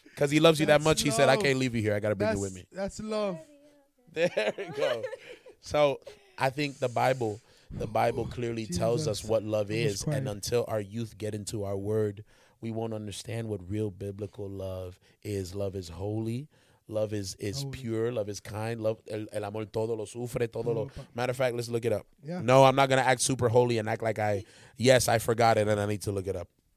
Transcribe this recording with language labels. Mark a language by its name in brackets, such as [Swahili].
[English] Because he loves you that much. He said, I can't leave you here. I got to bring you with me. That's love. There we go. So I think the Bible clearly tells us what love is. And until our youth get into our word, we won't understand what real biblical love is. Love is holy. Love is holy. Pure. Love is kind. Love, [Spanish] el amor todo lo sufre, todo lo. [English] Matter of fact, let's look it up. Yeah. No, I'm not going to act super holy and act like I forgot it and I need to look it up.